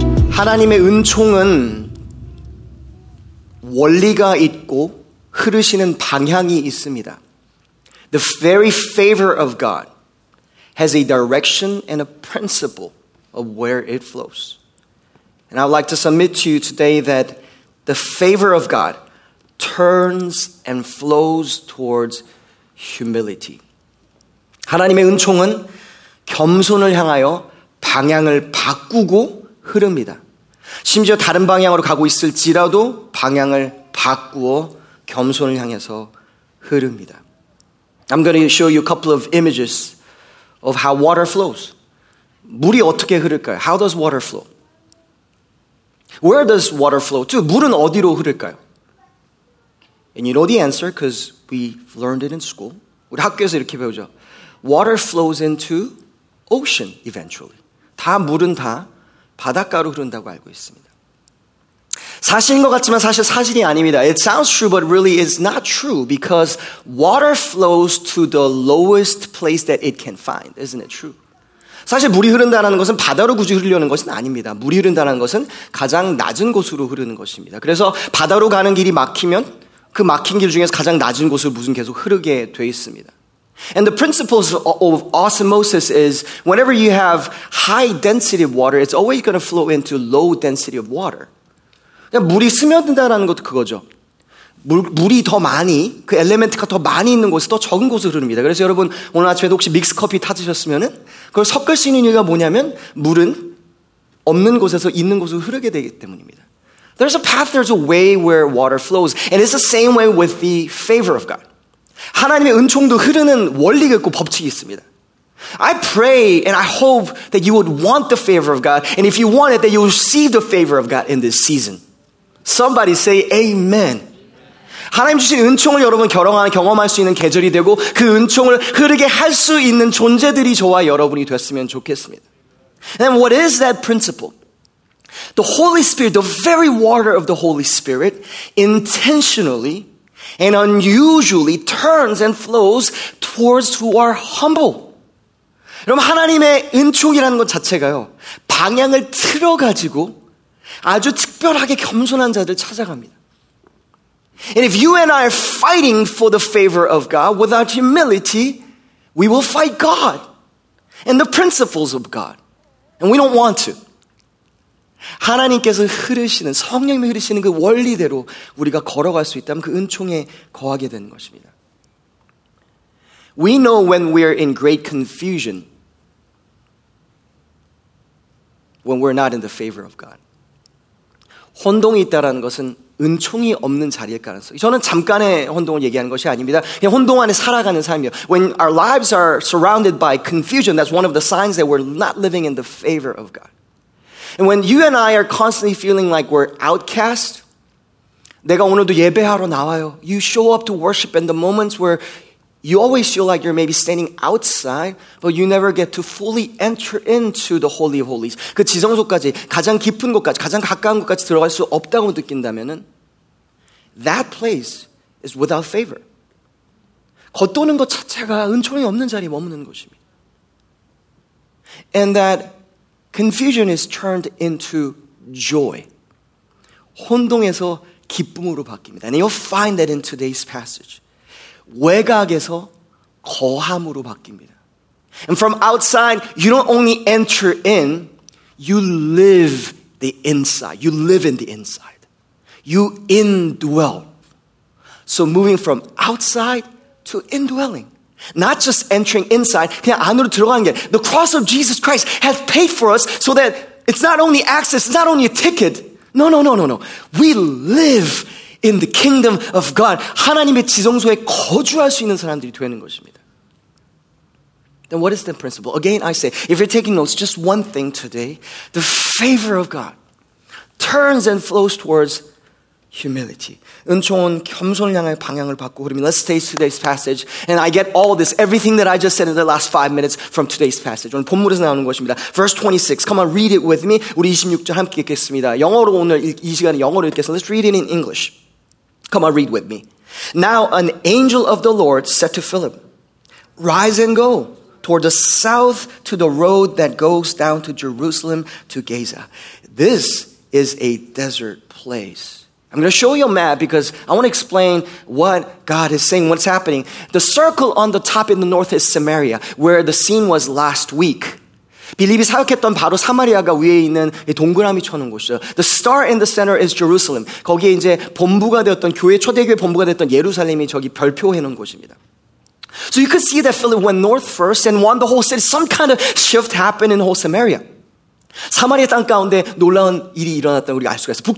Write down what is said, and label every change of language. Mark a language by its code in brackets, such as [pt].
[ko] 하나님의 은총은 원리가 있고 흐르시는 방향이 있습니다. [en] The very favor of God has a direction and a principle of where it flows. And I would like to submit to you today that the favor of God turns and flows towards humility. [ko] 하나님의 은총은 겸손을 향하여 방향을 바꾸고 흐릅니다. 심지어 다른 방향으로 가고 있을지라도 방향을 바꾸어 겸손을 향해서 흐릅니다. [en] I'm going to show you a couple of images of how water flows. [ko] 물이 어떻게 흐를까요? [en] How does water flow? Where does water flow to? [ko] 물은 어디로 흐를까요? [en] And you know the answer because we've learned it in school. [ko] 우리 학교에서 이렇게 배우죠. [en] Water flows into ocean eventually. [ko] 다 물은 다 바닷가로 흐른다고 알고 있습니다. 사실인 것 같지만 사실 사실이 아닙니다. [en] It sounds true, but really it's not true because water flows to the lowest place that it can find. Isn't it true? [ko] 사실 물이 흐른다는 것은 바다로 굳이 흐르려는 것은 아닙니다. 물이 흐른다는 것은 가장 낮은 곳으로 흐르는 것입니다. 그래서 바다로 가는 길이 막히면 그 막힌 길 중에서 가장 낮은 곳을 무슨 계속 흐르게 돼 있습니다. [en] And the principles of osmosis is whenever you have high density of water, it's always going to flow into low density of water. [ko] 그냥 물이 스며든다는 것도 그거죠. 물이 더 많이, 그 엘레멘트가 더 많이 있는 곳에서 더 적은 곳으로 흐릅니다. 그래서 여러분 오늘 아침에도 혹시 믹스커피 타드셨으면은 그걸 섞을 수 있는 이유가 뭐냐면 물은 없는 곳에서 있는 곳으로 흐르게 되기 때문입니다. [en] There's a path, there's a way where water flows. And it's the same way with the favor of God. [ko] 하나님의 은총도 흐르는 원리가 있고 법칙이 있습니다. [en] I pray and I hope that you would want the favor of God. And if you want it, that you will receive the favor of God in this season. Somebody say amen. [ko] 하나님 주신 은총을 여러분 경험할 수 있는 계절이 되고 그 은총을 흐르게 할 수 있는 존재들이 저와 여러분이 됐으면 좋겠습니다. [en] And what is that principle? The Holy Spirit, the very water of the Holy Spirit, intentionally and unusually turns and flows towards who are humble. [ko] 여러분 하나님의 은총이라는 것 자체가요 방향을 틀어가지고 아주 특별하게 겸손한 자들 찾아갑니다. [en] And if you and I are fighting for the favor of God without humility, we will fight God and the principles of God. And we don't want to. [ko] 하나님께서 흐르시는, 성령님이 흐르시는 그 원리대로 우리가 걸어갈 수 있다면 그 은총에 거하게 되는 것입니다. [en] We know when we're in great confusion, when we're not in the favor of God. [ko] 혼동이 있다라는 것은 은총이 없는 자리일 가능성. 저는 잠깐의 혼동을 얘기하는 것이 아닙니다. 그냥 혼동 안에 살아가는 삶이요. [en] When our lives are surrounded by confusion, that's one of the signs that we're not living in the favor of God. And when you and I are constantly feeling like we're outcast, [ko] 내가 오늘도 예배하러 나와요. [en] You show up to worship in the moments where you always feel like you're maybe standing outside, but you never get to fully enter into the Holy of Holies. [ko] 그 지성소까지, 가장 깊은 곳까지, 가장 가까운 곳까지 들어갈 수 없다고 느낀다면은 [en] that place is without favor. [ko] 겉도는 것 자체가 은총이 없는 자리에 머무는 것입니다. [en] And that confusion is turned into joy. [ko] 혼동에서 기쁨으로 바뀝니다. [en] And you'll find that in today's passage. [ko] 외곽에서 거함으로 바뀝니다. [en] And from outside, you don't only enter in, you live the inside. You live in the inside. You indwell. So moving from outside to indwelling. Not just entering inside, [ko] 그냥 안으로 들어가는 게. [en] The cross of Jesus Christ has paid for us so that it's not only access, it's not only a ticket. No, no, no, no, no. We live in the kingdom of God, [ko] 하나님의 지성소에 거주할 수 있는 사람들이 되는 것입니다. [en] Then what is the principle? Again, I say, if you're taking notes, just one thing today. The favor of God turns and flows towards humility. [ko] 은총은 겸손을 향해 방향을 바꾸고 흐릅니다. [en] Let's stay today's passage. And I get all this, everything that I just said in the last 5 minutes from today's passage. [ko] 오늘 본문에서 나오는 것입니다. [en] Verse 26, come on, read it with me. [ko] 우리 26절 함께 읽겠습니다. 영어로 오늘 이 시간에 영어로 읽겠습니다. [en] Let's read it in English. Come on, read with me. Now an angel of the Lord said to Philip, rise and go toward the south to the road that goes down to Jerusalem to Gaza. This is a desert place. I'm going to show you a map because I want to explain what God is saying, what's happening. The circle on the top in the north is Samaria, where the scene was last week. [ko] 빌립이 사역했던 바로 사마리아가 위에 있는 동그라미 쳐놓은 곳이죠. [en] The star in the center is Jerusalem. [ko] 거기에 이제 본부가 되었던 교회, 초대교회 본부가 됐던 예루살렘이 저기 별표해놓은 곳입니다. [en] So you could see that Philip went north first and won the whole city. Some kind of shift happened in whole Samaria. [ko] 사마리아 땅 가운데 놀라운 일이 일어났다는 우리가 알 수가 있어요.